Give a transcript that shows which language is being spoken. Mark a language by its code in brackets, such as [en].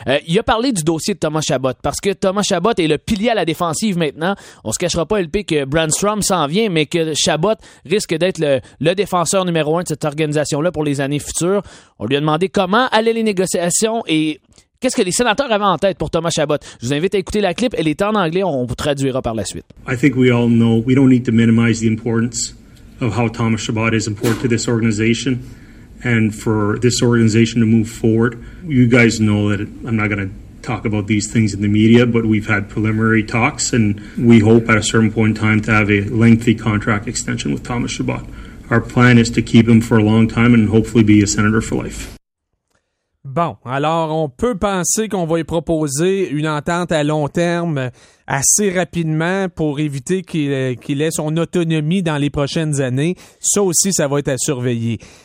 [fr] Il a parlé du dossier de Thomas Chabot, parce que Thomas Chabot est le pilier à la défensive maintenant. On se cachera pas, LP, que Brännström s'en vient, mais que Chabot risque d'être le défenseur numéro un de cette organisation-là pour les années futures. On lui a demandé comment allaient les négociations et qu'est-ce que les sénateurs avaient en tête pour Thomas Chabot. Je vous invite à écouter la clip. Elle est en anglais. On vous traduira par la suite. [en] I think we all know we don't need to minimize the importance of how Thomas Chabot is important to this organization and for this organization to move forward. You guys know that I'm not going to talk about these things in the media, but we've had preliminary talks and we hope at a certain point in time to have a lengthy contract extension with Thomas Chabot. Our plan is to keep him for a long time and hopefully be a senator for life. [fr] Bon, alors on peut penser qu'on va y proposer une entente à long terme assez rapidement pour éviter qu'il ait son autonomie dans les prochaines années. Ça aussi, ça va être à surveiller.